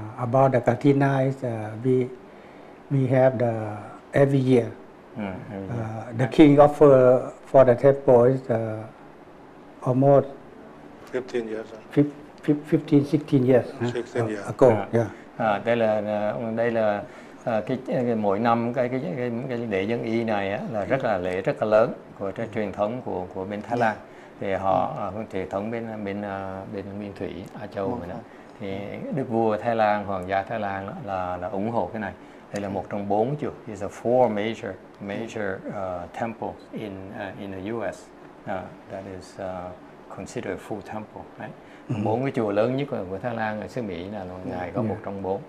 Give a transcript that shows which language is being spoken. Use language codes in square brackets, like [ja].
[en] About the Katina, is we have the every year. The king offer for the temple is almost 15 years. 15-16 years. 16 years. [vi] Đây là cái mỗi năm cái lễ dân y này á, là rất là lễ rất là lớn của cái truyền thống của bên Thái Lan. Thì họ truyền thống bên Nguyên Thủy Á Châu mình đó. Thì Đức Vua Thái Lan, Hoàng gia Thái Lan đó, là ủng hộ cái này. Đây là một trong bốn chùa. [en] It's a four major temple in the U.S. That is considered a full temple, right? [vi] Bốn cái chùa lớn nhất của Thái Lan ở xứ Mỹ là ngài có một trong bốn.